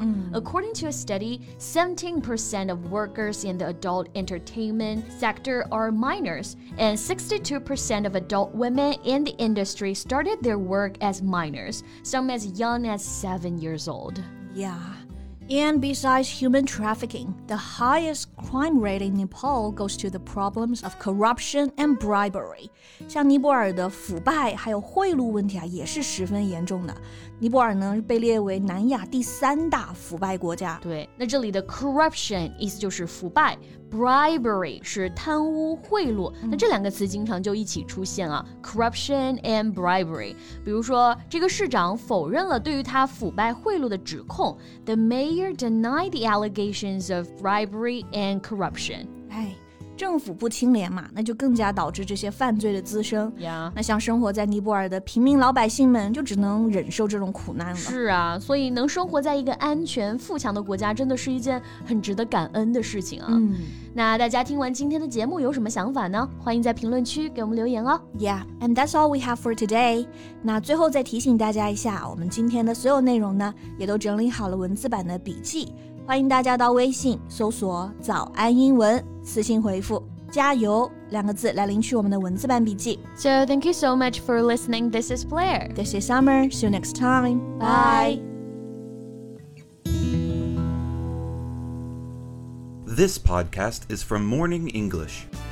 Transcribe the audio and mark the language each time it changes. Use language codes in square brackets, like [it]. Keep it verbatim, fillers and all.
[en] 嗯。 According to a study, seventeen percent of workers in the adult entertainment sector are minors, and sixty-two percent of adult women in the industry started their work as minors, some as young as seven years old. Yeah. And besides human trafficking, the highest crime rate in Nepal goes to the problems of corruption and bribery. [zh] 像尼泊尔的腐败还有贿赂问题啊，也是十分严重的。尼泊尔呢被列为南亚第三大腐败国家。对，那这里的 corruption 意思就是腐败 ，bribery 是贪污贿赂。那这两个词经常就一起出现啊 ， [en] corruption and bribery。 [zh] 比如说，这个市长否认了对于他腐败贿赂的指控 ， [en] the mayor denied the allegations of bribery and corruption. [zh] 哎，政府不清廉嘛，那就更加导致这些犯罪的滋生。 [en] Yeah. [zh] 那像生活在尼泊尔的平民老百姓们，就只能忍受这种苦难了。是啊，所以能生活在一个安全、富强的国家，真的是一件很值得感恩的事情啊。嗯，那大家听完今天的节目有什么想法呢？欢迎在评论区给我们留言哦。 [en] Yeah, and that's all we have for today. [zh] 那最后再提醒大家一下，我们今天的所有内容呢，也都整理好了文字版的笔记。欢迎大家到微信搜索早安英文，私信回复加油两个字来领取我们的文字版笔记。 [en] So thank you so much for listening. This is Blair. This is Summer. See you next time. Bye. This podcast is from Morning English.